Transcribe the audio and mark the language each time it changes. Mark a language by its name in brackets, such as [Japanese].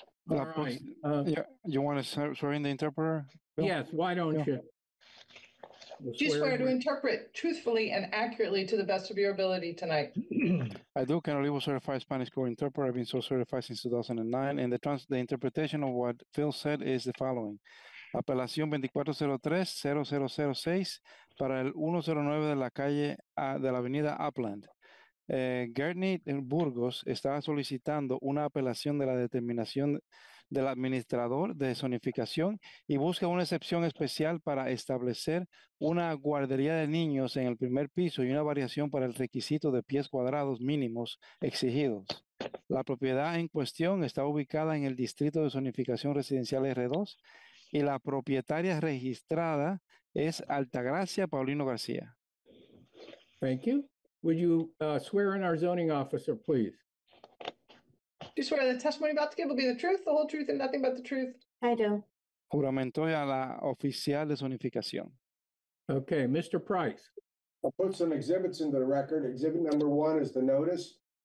[English] All right. You want to swear in the interpreter? Bill? Yes, why don't you? Do you swear to interpret truthfully and accurately to the best of your ability tonight? I do. Can Olivo certify Spanish core interpreter? I've been so certified since 2009. And the interpretation of what Phil said is the following. [Spanish] Apelación 2403-0006 para el 109 de la calle de la avenida Upland. Gernot Burgos está solicitando una apelación de la determinación del administrador de zonificación y busca una excepción especial para establecer una guardería de niños en el primer piso y una variación para el requisito de pies cuadrados mínimos exigidos. La propiedad en cuestión está ubicada en el distrito de zonificación residencial R2 y la propietaria registrada es Altagracia Paulino García. [English] Thank you. Would you swear in our zoning officer, please? Do you swear the testimony about to give will be the truth, the whole truth, and nothing but the truth? I do. [Spanish] Juramento a la oficial de zonificación. [English] Okay, Mr. Price. I'll put some exhibits into the record. Exhibit number one is the notice.